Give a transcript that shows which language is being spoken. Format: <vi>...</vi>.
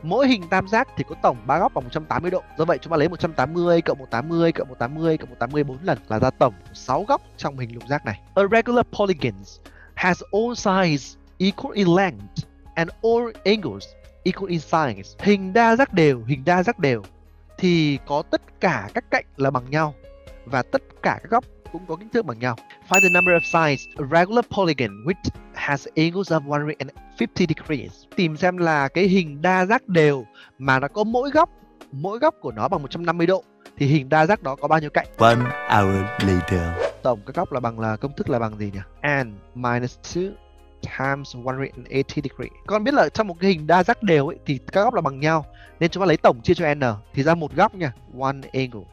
<vi>Mỗi hình tam giác thì có tổng 3 góc bằng 180 độ. Do vậy chúng ta lấy 180 cộng 180 cộng 180 cộng 180 4 lần là ra tổng 6 góc trong hình lục giác này.</vi> <en>A regular polygon has all sides equal in length and all angles equal in size.</en> <vi>Hình đa giác đều, hình đa giác đều thì có tất cả các cạnh là bằng nhau và tất cả các góc cũng có kích thước bằng nhau.</vi> <en>Find the number of sides a regular polygon which has angles of 150 degrees.</en> <vi>Tìm xem là cái hình đa giác đều mà nó có mỗi góc của nó bằng 150 độ thì hình đa giác đó có bao nhiêu cạnh.</vi> <en>1 hour later.</en> <vi>Tổng các góc là bằng là công thức là bằng gì nhỉ?</vi> <en>N minus 2 times 180 degrees.</en> <vi>Con biết là trong một cái hình đa giác đều ấy, thì các góc là bằng nhau. Nên chúng ta lấy tổng chia cho n thì ra một góc nha.</vi> <en>One angle.</en>